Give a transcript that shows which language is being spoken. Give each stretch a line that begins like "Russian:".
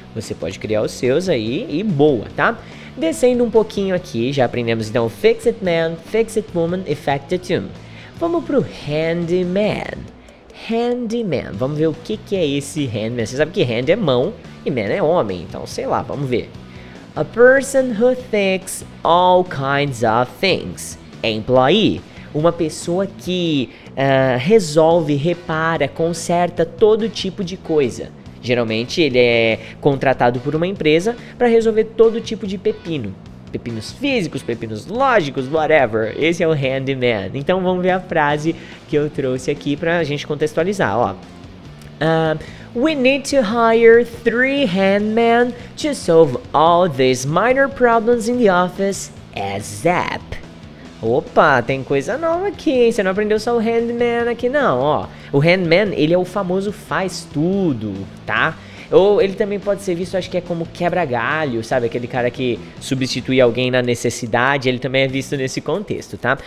Portuguese: Você pode criar os seus aí e boa, tá? Descendo um pouquinho aqui, já aprendemos então Fix-It Man, Fix-It Woman e Factotum. Vamos pro Handyman. Handyman, vamos ver o que, que é esse Handyman. Você sabe que Hand é mão e Man é homem, então sei lá, vamos ver.
English: A person who thinks all kinds of things.
Portuguese: Employee, uma pessoa que resolve, repara, conserta todo tipo de coisa. Geralmente ele é contratado por uma empresa para resolver todo tipo de pepino. Pepinos físicos, pepinos lógicos, whatever. Esse é o handyman. Então vamos ver a frase que eu trouxe aqui para a gente contextualizar. Ó.
English: We need to hire 3 handmen to solve all these minor problems in the office ASAP.
Portuguese: Opa, tem coisa nova aqui, hein? Você não aprendeu só o handyman aqui, não, ó. O handyman, ele é o famoso faz-tudo, tá? Ou ele também pode ser visto, acho que é como quebra-galho, sabe? Aquele cara que substitui alguém na necessidade, ele também é visto nesse contexto, tá?